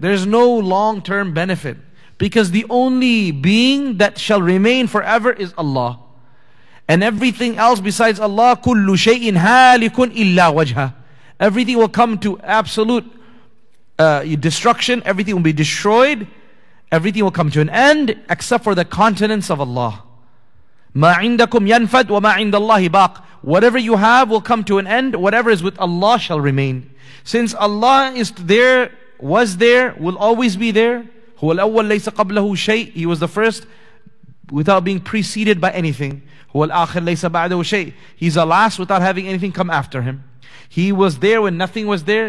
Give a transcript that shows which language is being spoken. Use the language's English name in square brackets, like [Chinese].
[English] There is no long-term benefit. Because the only being that shall remain forever is Allah. And everything else besides Allah, [Arabic] كل شيء هالك إلا وجهه. [English] Everything will come to absolute destruction. Everything will be destroyed. Everything will come to an end except for the countenance of Allah. [Arabic] ما عندكم ينفد وما عند الله باق. [English] Whatever you have will come to an end. Whatever is with Allah shall remain. Since Allah is there, was there, will always be there. [Arabic] هو الأول ليس قبله شيء. [English] He was the first without being preceded by anything. [Arabic] هو الآخر ليس بعده شيء. [English] He's the last without having anything come after him. He was there when nothing was there.